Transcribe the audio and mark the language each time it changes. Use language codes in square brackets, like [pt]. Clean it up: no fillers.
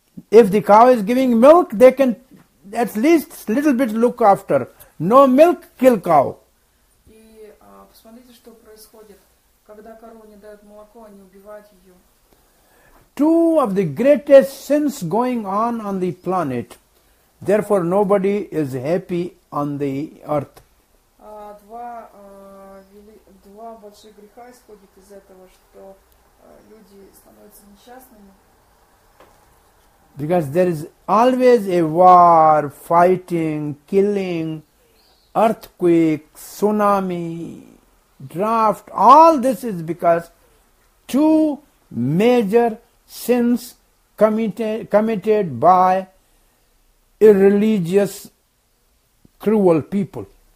[en] If the cow is giving milk, they can at least little bit look after. No milk, kill cow. [ru] И посмотрите, что происходит. Когда корова не дает молоко, они убивают ее. [en] Two of the greatest sins going on the planet. Therefore, nobody is happy on the earth. [ru] Два больших греха исходят из этого, что люди становятся несчастными. [en] Because there is always a war, fighting, killing, earthquake, tsunami, drought. All this is because two major sins committed by irreligious, cruel people.